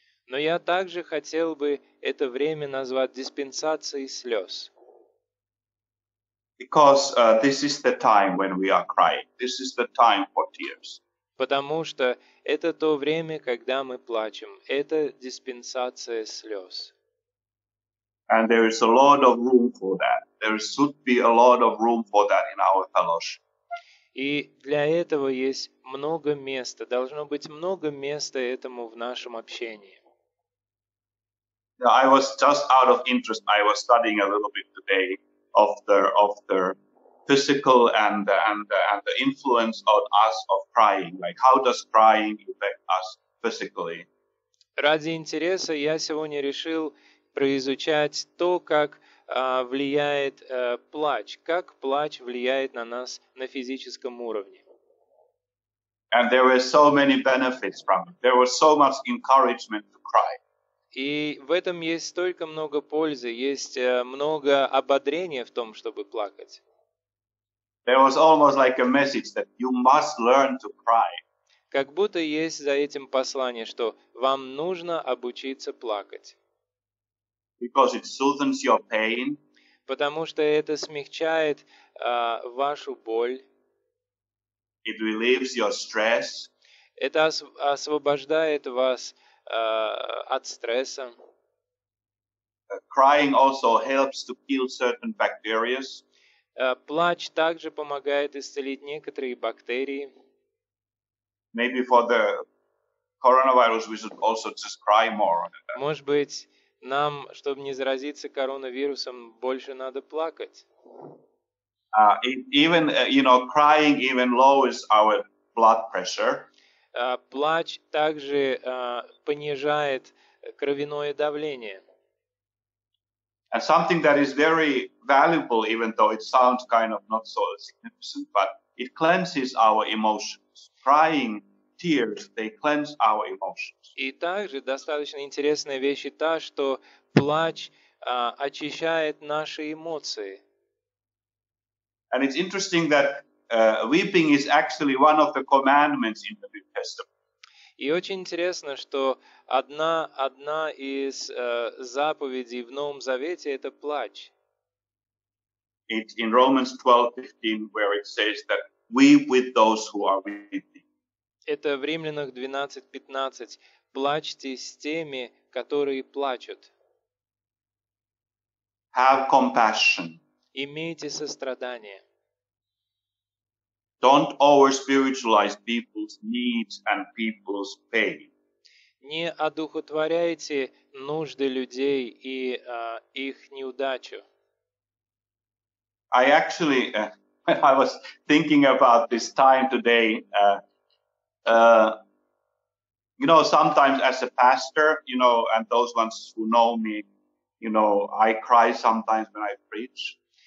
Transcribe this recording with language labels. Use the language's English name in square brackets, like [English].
[Russian] Но я также хотел бы это время назвать диспенсацией слез. [English] Because this is the time when we are crying. This is the time for tears. [Russian] Потому что это то время, когда мы плачем. Это диспенсация слез. [English] And there is a lot of room for that. There should be a lot of room for that in our fellowship. [Russian] И для этого есть много места. Должно быть много места этому в нашем общении. [English] I was just out of interest. I was studying a little bit today of the physical and the influence on us of crying. Like, how does crying affect us physically? [Russian] Ради интереса я сегодня решил произучать то, как влияет плач, как плач влияет на нас на физическом уровне. [English] And there were so many benefits from it. There was so much encouragement to cry. [Russian] И в этом есть столько много пользы, есть много ободрения в том, чтобы плакать. [English] There was almost like a message that you must learn to cry. [Russian] Как будто есть за этим послание, что вам нужно обучиться плакать. [English] Because it soothes your pain. [Russian] Потому что это смягчает вашу боль. [English] It relieves your stress. [Russian] Это освобождает вас от стресса. [English] Crying also helps to kill certain bacteria. [Russian] Плач также помогает исцелить некоторые бактерии. [English] Maybe for the coronavirus we should also just cry more. [Russian] Может быть, нам, чтобы не заразиться коронавирусом, больше надо плакать. [English] Crying even lowers our blood pressure. [Russian] Плач также понижает кровяное давление. [English] And something that is very valuable, even though it sounds kind of not so significant, but it cleanses our emotions. Crying, tears, they cleanse our emotions. [Russian] И также достаточно интересная вещь и та, что плач очищает наши эмоции. [English] And it's interesting that weeping is actually one of the commandments in the New Testament. [Russian] И очень интересно, что одна из заповедей в Новом Завете — это плач. [English] It's in Romans 12:15, where it says that weep with those who are weeping. [Russian] Это в Римлянах 12:15. Плачьте с теми, которые плачут. [English] Have compassion. [Russian] Имейте сострадание. [English] Don't over-spiritualize people's needs and people's pain. [Russian] Не одухотворяйте нужды людей и их неудачу. [English] I actually, I was thinking about this time today. Sometimes as a pastor, and those ones who know me, I cry sometimes when I preach.